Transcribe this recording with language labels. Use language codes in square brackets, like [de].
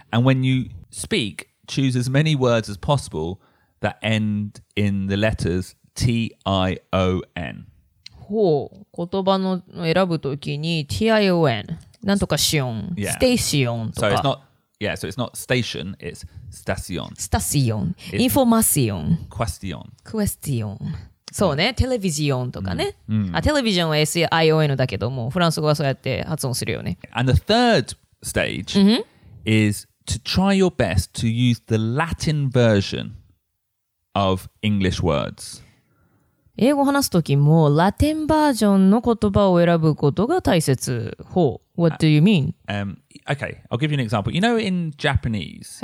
[en] And when you speak, choose as many words as possible that end in the letters T-I-O-N. [ja] ほう、言葉の選ぶときに T-I-O-N。なんとかしよん、 [en] yeah. [ja] station とか。 [en] So it's not, yeah, so it's not station, it's station. Station, information. Question. Question. [ja] そうね、テレビジオンとかね。あ、テレビジョンは S-I-O-N だけども、フランス語はそうやって発音するよね。 [en] And the third stage、mm-hmm. is to try your best to use the Latin version of English words. [ja] 英語話すときもラテンバージョンの言葉を選ぶことが大切。 [en] ほう。What do you mean?、 Okay, I'll give you an example. You know in Japanese,